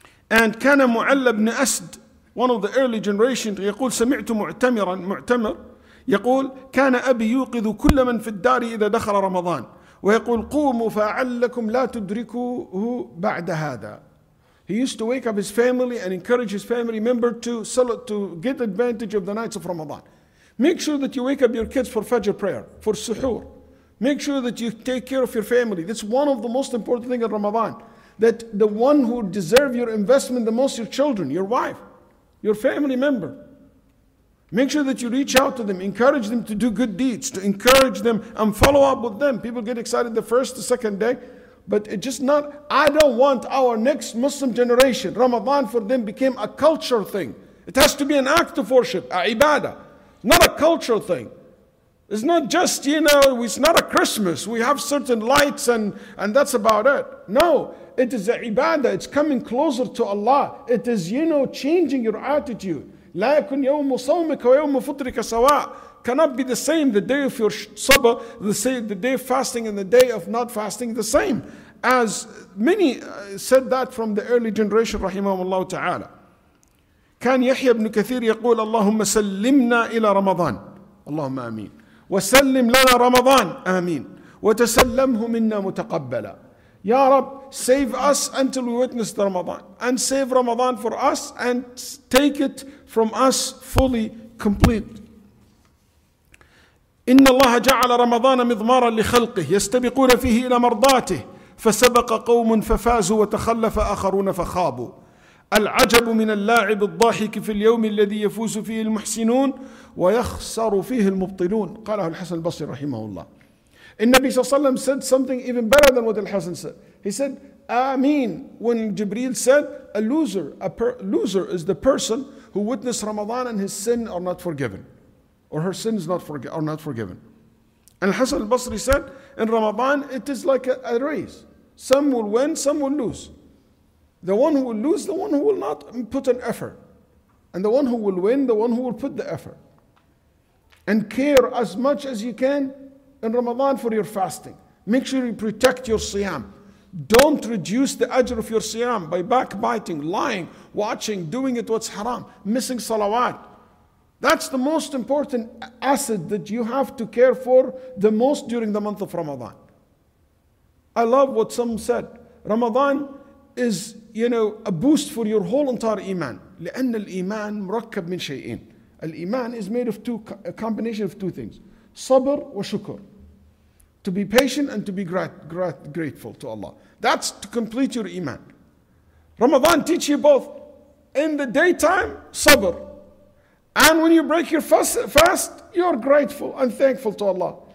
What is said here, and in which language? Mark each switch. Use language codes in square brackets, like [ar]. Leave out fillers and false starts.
[ar] And كان معل بن أسد, [en] one of the early generation, [ar] يقول سمعت معتمرا معتمر يقول كان أبي يوقظ كل من في الدار إذا دخل رمضان ويقول قوموا فعلكم لا تدركوه بعد هذا. [en] He used to wake up his family and encourage his family member to get advantage of the nights of Ramadan. Make sure that you wake up your kids for Fajr prayer, for Suhoor. Make sure that you take care of your family. That's one of the most important things in Ramadan. That the one who deserves your investment the most, your children, your wife, your family member. Make sure that you reach out to them, encourage them to do good deeds, to encourage them and follow up with them. People get excited the first, the second day. But it just not, I don't want our next Muslim generation, Ramadan for them became a culture thing. It has to be an act of worship, a ibadah, not a culture thing. It's not just, you know, it's not a Christmas. We have certain lights and that's about it. No, it is a ibadah. It's coming closer to Allah. It is, you know, changing your attitude. [ar] لا يكن يوم صومك ويوم فطرك سواء. [en] Cannot be the same, the day of your sabah, the day of fasting and the day of not fasting, the same. As many said that from the early generation, [ar] رحمهم الله تعالى. كان يحيى بن كثير يقول اللهم سلمنا إلى رمضان. اللهم آمين. وسلم لنا رمضان آمين وتسلمه منا متقبلا. يا رب, [en] save us until we witness the Ramadan, and save Ramadan for us and take it from us fully complete. [ar] إن الله جعل رمضان مضمارا لخلقه يستبقون فيه إلى مرضاته فسبق قوم ففازوا وتخلف آخرون فخابوا. العجب من اللاعب الضاحك في اليوم الذي يفوز فيه المحسنون ويخسر فيه المبطلون. قاله الحسن البصري رحمه الله. النبي صلى الله عليه وسلم [en] said something even better than what الحسن said. He said, "Amin." When Jibril said, "A loser is the person who witnessed Ramadan and his sin are not forgiven, or her sins are not forgiven." And الحسن البصري said, "In Ramadan, it is like a race. Some will win, some will lose." The one who will lose, the one who will not put an effort. And the one who will win, the one who will put the effort. And care as much as you can in Ramadan for your fasting. Make sure you protect your siyam. Don't reduce the ajr of your siyam by backbiting, lying, watching, doing it what's haram, missing salawat. That's the most important asset that you have to care for the most during the month of Ramadan. I love what some said. Ramadan is, you know, a boost for your whole entire iman. [ar] لأن الإيمان مركب من شيئين. [en] الإيمان is made of a combination of two things. [ar] صبر وشكر. [en] To be patient and to be grateful to Allah. That's to complete your iman. Ramadan teach you both. In the daytime, صبر. And when you break your fast, you're grateful and thankful to Allah.